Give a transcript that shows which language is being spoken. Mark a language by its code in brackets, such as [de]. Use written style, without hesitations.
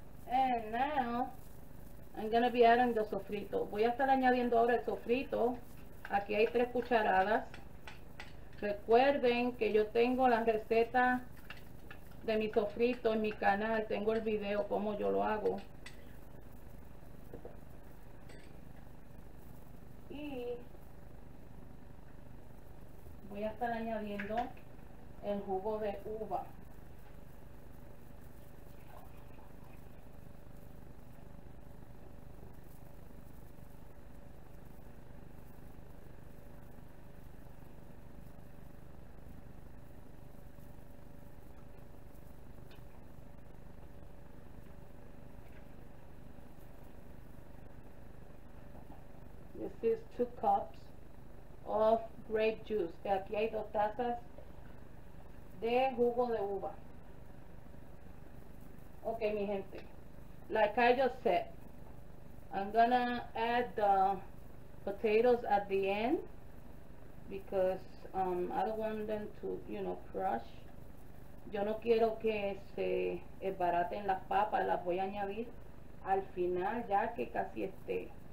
[en] And now, I'm going to be adding the sofrito. [es] Voy a estar añadiendo ahora el sofrito. Aquí hay 3 cucharadas. Recuerden que yo tengo la receta de mi sofrito en mi canal. Tengo el video cómo yo lo hago. Voy a estar añadiendo el jugo de uva. [en] Is 2 cups of grape juice. [es] De aquí hay 2 tazas de jugo de uva. Okay, mi gente. [en] Like I just said, I'm gonna add the potatoes at the end because I don't want them to, you know, crush. [es] Yo no quiero que se embaraten las papas. Las voy a añadir al final ya que casi esté.